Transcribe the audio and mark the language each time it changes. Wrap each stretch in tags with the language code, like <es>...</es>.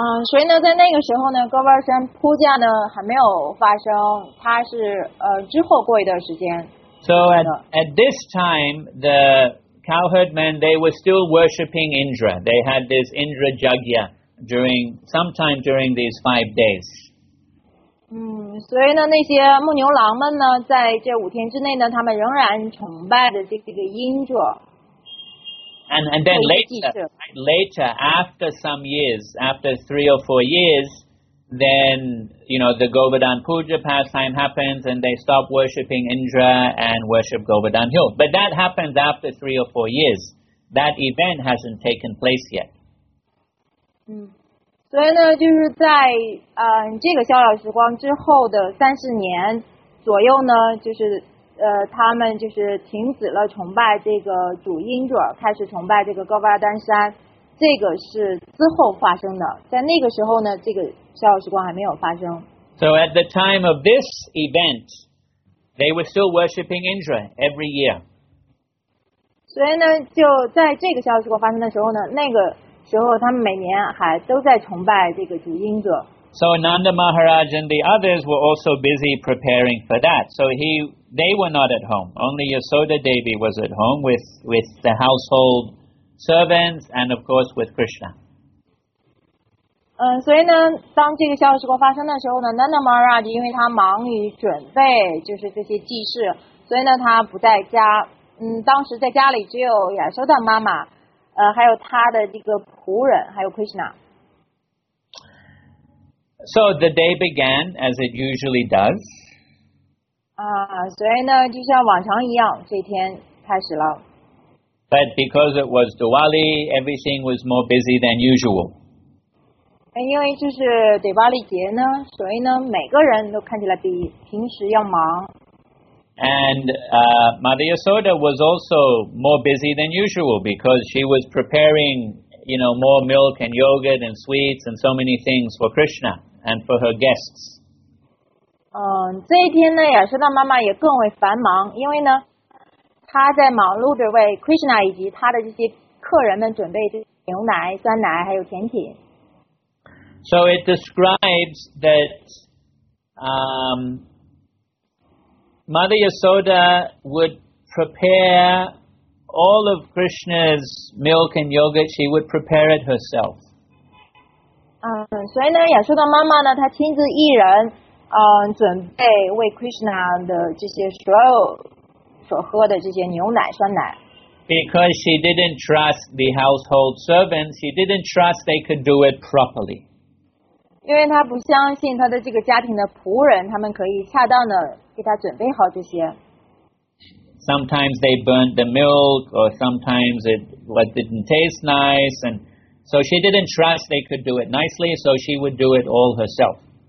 <zh>所以呢，在那个时候呢 ，Govardhan Puja 呢还没有发生，它是之后过一段时间。</zh> <en>So at this time, the cowherd men they were still worshipping Indra. They had this Indra Jagya during these 5 days.</en> <zh>所以呢，那些牧牛郎们呢，在这五天之内呢，他们仍然崇拜着这个阴卓。</zh> <en>And then later, after some years, after 3 or 4 years, then you know the Govardhan Puja pastime happens, and they stop worshipping Indra and worship Govardhan Hill. But that happens after 3 or 4 years. That event hasn't taken place yet.</en> <zh>所以呢，就是在这个逍遥时光之后的30年左右呢，就是他们就是停止了崇拜这个主因者，开始崇拜这个高巴丹山，这个是之后发生的。在那个时候呢，这个逍遥时光还没有发生。</zh> <en>So at the time of this event, they were still worshipping Indra every year.</en> <zh>所以呢，就在这个逍遥时光发生的时候呢，那个。</zh> <en>So Nanda Maharaj and the others were also busy preparing for that. So they were not at home. Only Yasoda Devi was at home with the household servants and of course with Krishna.</en> <zh>所以呢，当这个逍遥时光发生的时候呢 ，Nanda Maharaj 因为他忙于准备就是这些祭事，所以呢他不在家。当时在家里只有亚修的妈妈。还有他的这个仆人，还有 Krishna。</zh> <en>So the day began as it usually does.</en> <zh>所以呢，就像往常一样，这天开始了。</zh> <en>But because it was Diwali, everything was more busy than usual.</en> <zh>因为就是迪巴利节呢，所以呢，每个人都看起来比平时要忙。</zh> <en>And Mother Yasoda was also more busy than usual because she was preparing, you know, more milk and yogurt and sweets and so many things for Krishna and for her guests.</en> <zh>这一天呢，亚瑟大妈妈也更为繁忙，因为呢，她在忙碌着为 Krishna 以及她的这些客人们准备牛奶、酸奶还有甜品。</zh> <en>So it describes that Mother Yasoda would prepare all of Krishna's milk and yogurt. She would prepare it herself.</en> <zh>所以呢，亚瑟的妈妈呢，她亲自一人，准备为 Krishna 的这些所喝的这些牛奶、酸奶。</zh> <en>Because she didn't trust the household servants, she didn't trust they could do it properly.</en> <zh>因为她不相信她的这个家庭的仆人，他们可以恰当的。</zh> <en>Sometimes they burnt the milk, or sometimes it didn't taste nice, and so she didn't trust they could do it nicely, so she would do it all herself.</en>